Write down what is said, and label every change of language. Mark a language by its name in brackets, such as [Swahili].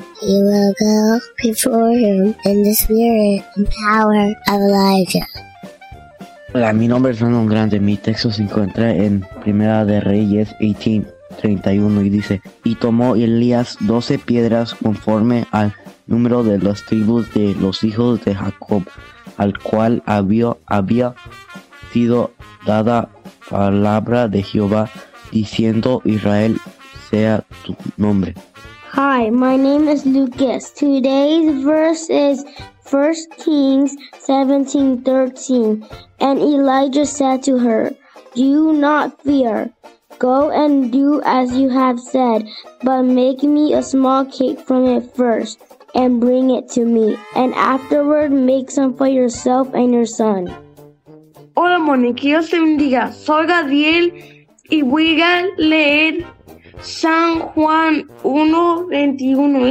[English] He will go before him in the spirit and power of Elijah. [Spanish] Hola, mi nombre es Manon Grande. Mi texto se encuentra en Primera de Reyes 18:31 y dice: y tomó Elías 12 piedras conforme al número de las tribus de los hijos de Jacob, al cual había sido dada palabra de Jehová diciendo, Israel, sea tu nombre. [English] Hi, my name is Lucas. Today's verse is 1 Kings 17:13. And Elijah said to her, Do not fear. Go and do as you have said, but make me a small cake from it first and bring it to me. And afterward, make some for yourself and your son. [Spanish] Hola, Moni. Que Dios te bendiga. Soy Gabriel y voy a leer San Juan 1:21.